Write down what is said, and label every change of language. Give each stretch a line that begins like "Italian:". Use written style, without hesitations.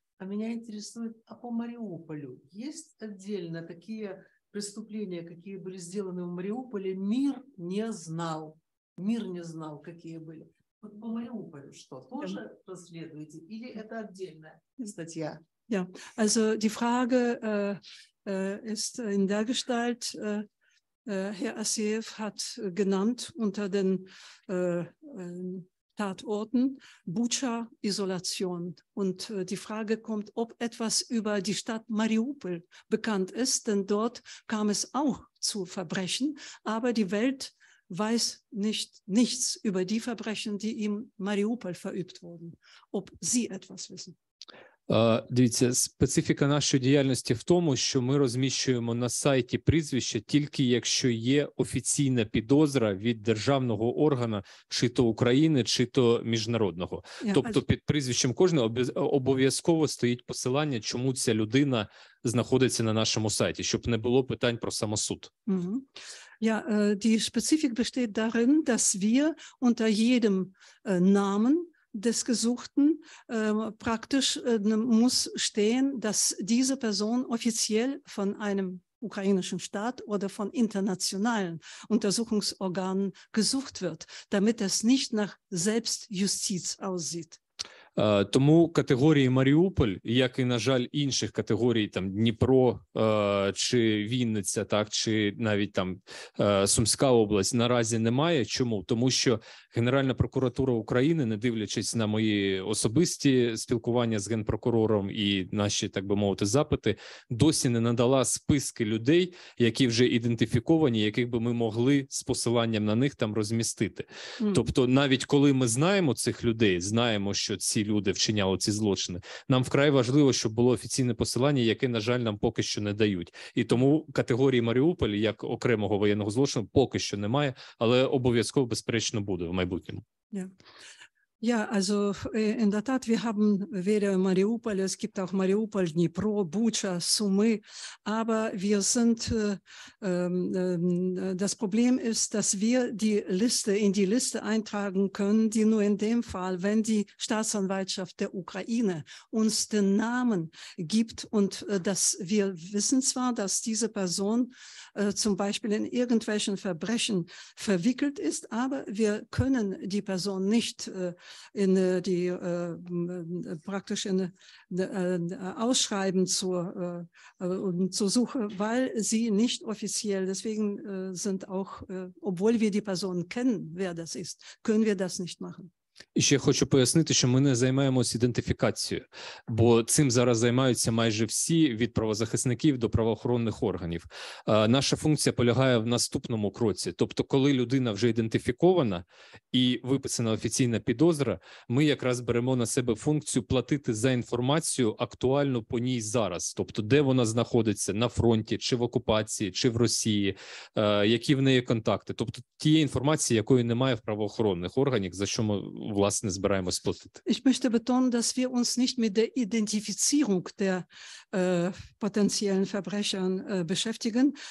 Russian: А меня интересует, а по Мариуполю есть отдельно такие преступления, какие были сделаны в Мариуполе, мир не знал. Мир не знал, какие были. Вот по Мариуполю что, тоже расследуете? Или это отдельная статья?
German: Ja, also die Frage ist in der Gestalt, Herr Asiev hat genannt unter den Tatorten Bucha Isolation. Und die Frage kommt, ob etwas über die Stadt Mariupol bekannt ist, denn dort kam es auch zu Verbrechen, aber die Welt weiß nichts über die Verbrechen, die in Mariupol verübt wurden, ob Sie etwas wissen.
Ukrainian: Дивіться, специфіка нашої діяльності в тому, що ми розміщуємо на сайті прізвища тільки якщо є офіційна підозра від державного органу, чи то України, чи то міжнародного. Тобто під прізвищем кожного обов'язково стоїть посилання, чому ця людина знаходиться на нашому сайті, щоб не було питань про самосуд.
German: Ja, die Spezifik besteht darin, dass wir unter jedem Namen des Gesuchten praktisch muss stehen, dass diese Person offiziell von einem ukrainischen Staat oder von internationalen Untersuchungsorganen gesucht wird, damit es nicht nach Selbstjustiz aussieht.
Ukrainian: Тому категорії Маріуполь, як і, на жаль, інших категорій, там Дніпро чи Вінниця, так, чи навіть там Сумська область, наразі немає. Чому? Тому що Генеральна прокуратура України, не дивлячись на мої особисті спілкування з генпрокурором і наші, так би мовити, запити, досі не надала списки людей, які вже ідентифіковані, яких би ми могли з посиланням на них там розмістити. Тобто навіть коли ми знаємо цих людей, знаємо, що ці люди вчиняли ці злочини. Нам вкрай важливо, щоб було офіційне посилання, яке, на жаль, нам поки що не дають. І тому категорії Маріуполь як окремого воєнного злочину поки що немає, але обов'язково, безперечно, буде в майбутньому.
German: Ja, also in der Tat, wir haben weder Mariupol, es gibt auch Mariupol, Dnipro, Bucha, Sumy, aber wir sind, das Problem ist, dass wir die Liste in die Liste eintragen können, die nur in dem Fall, wenn die Staatsanwaltschaft der Ukraine uns den Namen gibt und dass wir wissen zwar, dass diese Person zum Beispiel in irgendwelchen Verbrechen verwickelt ist, aber wir können die Person nicht in die praktisch in ausschreiben zur Suche, weil sie nicht offiziell, deswegen sind auch, obwohl wir die Person kennen, wer das ist, können wir das nicht machen.
Ukrainian: І ще хочу пояснити, що ми не займаємось ідентифікацією, бо цим зараз займаються майже всі, від правозахисників до правоохоронних органів. Наша функція полягає в наступному кроці. Тобто, коли людина вже ідентифікована і виписана офіційна підозра, ми якраз беремо на себе функцію платити за інформацію актуальну по ній зараз. Тобто, де вона знаходиться, на фронті, чи в окупації, чи в Росії, які в неї контакти. Тобто, тієї інформації, якої немає в правоохоронних органах, за що ми власне збираємось платити.
German: Ich möchte betonen, dass wir uns nicht mit der Identifizierung der potenziellen Verbrechern beschäftigen.